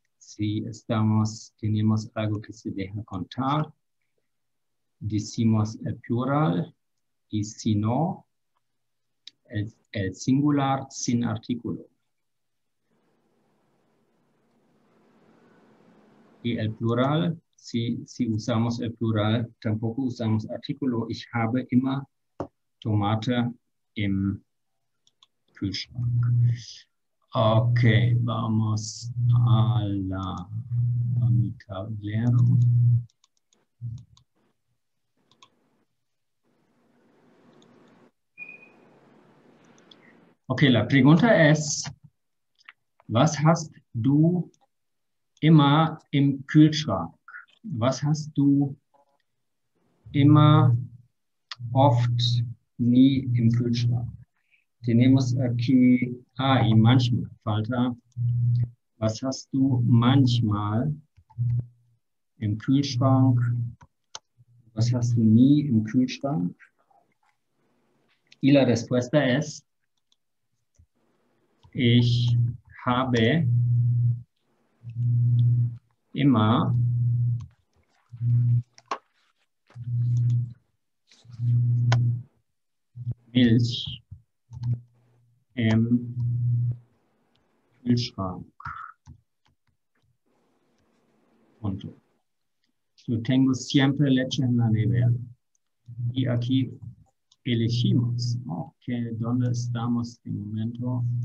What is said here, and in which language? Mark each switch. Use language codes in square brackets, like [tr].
[es] si estamos, tenemos algo que se deja contar, decimos el plural y si no, el singular sin artículo. Y el plural, si usamos el plural, tampoco usamos artículo. [de] Ich habe immer Tomate im Kühlschrank. [es] Ok, vamos a la a mi tablero. Ok, la pregunta es, [de] was hast du immer im Kühlschrank? Was hast du immer oft nie im Kühlschrank? [es] Tenemos aquí, y manchmal, falta. [de] Was hast du manchmal im Kühlschrank? Was hast du nie im Kühlschrank? [es] Y la respuesta es, [de] ich habe immer Milch im Kühlschrank. [es] Und yo tengo siempre leche en la nevera. Y aquí elegimos. Okay, ¿dónde estamos en momento?